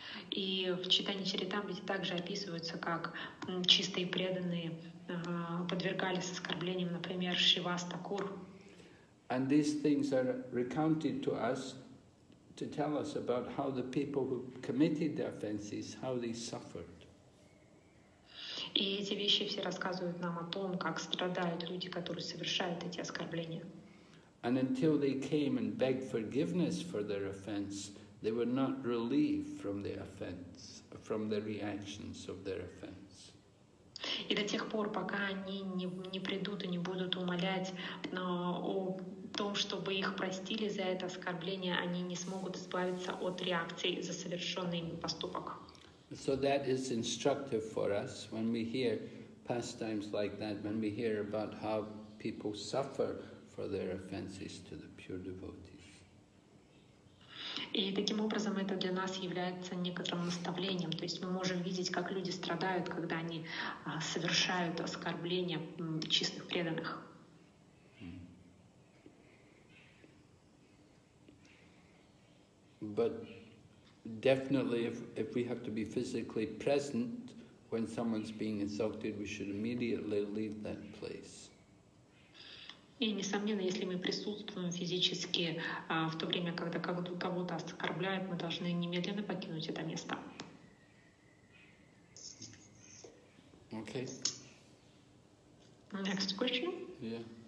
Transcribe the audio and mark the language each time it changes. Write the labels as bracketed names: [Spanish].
[Russian] И в Чайтанья Чаритамрите также описывается, как чистые преданные подвергались оскорблениям, например, Шривас Такур. [English] And these things are recounted to us to tell us about how the people who committed the offenses, how they suffered. [Russian] И эти вещи все рассказывают нам о том, как страдают люди, которые совершают эти оскорбления. [English] And until they came and begged forgiveness for their offense, they were not relieved from the offense, from the reactions of their offense. [Russian] И до тех пор, пока они не придут и не будут умолять о том, чтобы их простили за это оскорбление, они не смогут избавиться от реакции за совершенный ими поступок. [English] So that is instructive for us when we hear pastimes like that, when we hear about how people suffer for their offenses to the pure devotees. [Russian] И таким образом это для нас является некоторым наставлением. То есть мы можем видеть, как люди страдают, когда они совершают оскорбления чистых преданных. [English] But definitely if we have to be physically present when someone's being insulted, we should immediately leave that place. [Russian] И, несомненно, если мы присутствуем физически в то время, когда кого-то оскорбляют, мы должны немедленно покинуть это место. [English] Okay. Next question. Yeah.